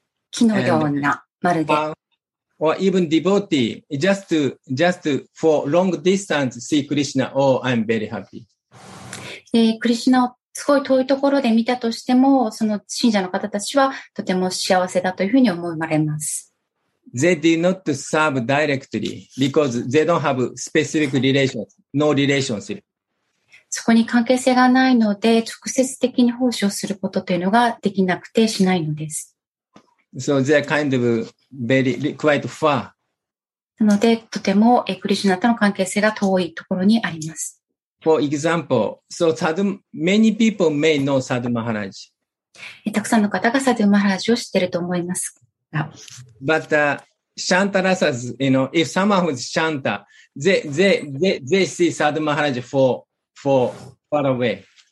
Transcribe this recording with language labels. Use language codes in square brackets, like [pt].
[ja] 木のような、まるで。 [en] Or even devotee, just for long distance see Krishna, oh, I'm very happy. [ja] クリシナをすごい遠いところで見たとしても、その信者の方たちはとても幸せだというふうに思われます。 [en] They do not serve directly because they don't have specific relations, no relationship. [ja] そこに関係性がないので、直接的に奉仕をすることというのができなくてしないのです。 [en] So they are kind of very, quite far. [ja] なので、とてもクリシナとの関係性が遠いところにあります。 [en] For example, so many people may know Sadhu Maharaj. [ja] たくさんの方がSadhu Maharajを知っていると思いますが。 [en] But, Shantarasas, you know, if someone was Shanta, they see Sadhu Maharaj for away.